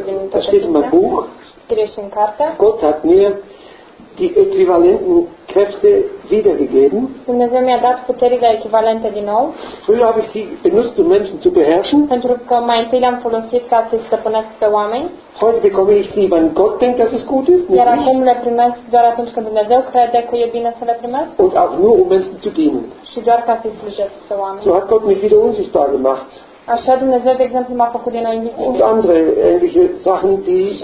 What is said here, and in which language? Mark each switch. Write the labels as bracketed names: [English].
[German] das steht in meinem Buch, [Romanian] scrie și în carte, [German] Gott hat mir die äquivalenten Kräfte wiedergegeben. [Romanian] Dumnezeu mi-a dat puterile echivalente din nou. [German] Früher habe ich sie benutzt, um Menschen zu beherrschen. [Romanian] Pentru că mai întâi le-am folosit ca să-i stăpânesc pe oameni. [German] Heute bekomme ich sie, wenn Gott denkt, dass es gut ist, nicht [Romanian] iar acum le primesc doar atunci când Dumnezeu crede că e bine să le primesc. [German] Und auch nur, um Menschen zu dienen. [Romanian] Și doar ca să-i slujesc pe oameni. [German] So hat Gott mich wieder unsichtbar gemacht. [Romanian] Așa Dumnezeu, de exemplu, m-a făcut din nou invisibil. [German] Und andere ähnliche Sachen, die